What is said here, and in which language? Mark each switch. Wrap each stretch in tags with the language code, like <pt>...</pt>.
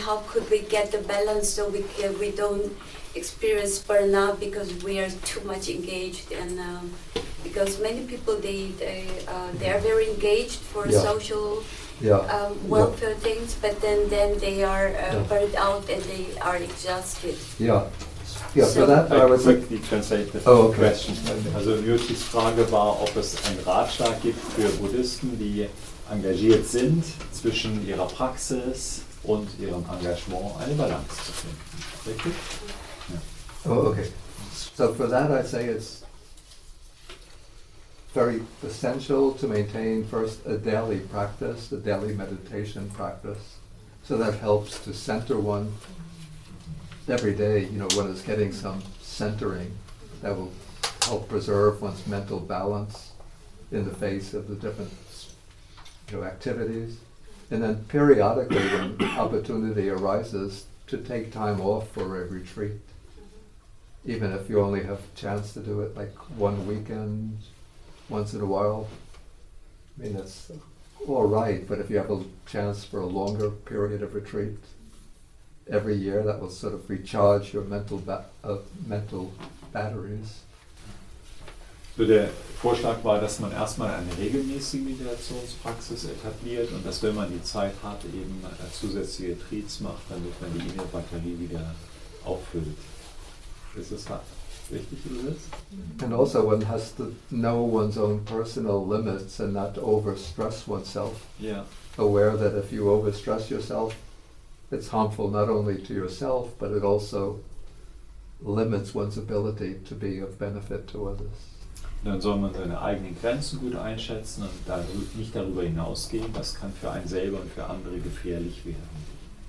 <en>How could we get the balance so we don't experience burnout because we are too much engaged? And because many people, they are very engaged for social welfare things, but then they are burned out and they are exhausted. So that I would quickly translate the question.</en> <de>Also Jyotis Frage war, ob es einen Ratschlag gibt für Buddhisten, die engagiert sind, zwischen ihrer Praxis und ihrem Engagement eine Balance zu finden. Richtig?</de> <en>Oh, okay. So for that I say it's very essential to maintain first a daily practice, a daily meditation practice. So that helps to center one every day, you know, one is getting some centering that will help preserve one's mental balance in the face of the different, you know, activities. And then periodically when opportunity arises to take time off for a retreat. Even if you only have a chance to do it like one weekend, once in a while, I mean, that's all right, but if you have a chance for a longer period of retreat every year, that will sort of recharge your mental batteries.</en> <de>So der Vorschlag war, dass man erstmal eine regelmäßige Meditationspraxis etabliert und dass, wenn man die Zeit hat, eben zusätzliche Retreats macht, damit man die innere Batterie wieder auffüllt.</de> <en>Is this richtig übersetzt? And also one has to know one's own personal limits and not overstress oneself. Yeah. Aware that if you overstress yourself, it's harmful not only to yourself, but it also limits one's ability to be of benefit to others.</en> <de>Dann soll man seine eigenen Grenzen gut einschätzen und nicht darüber hinausgehen. Das kann für einen selber und für andere gefährlich werden.</de>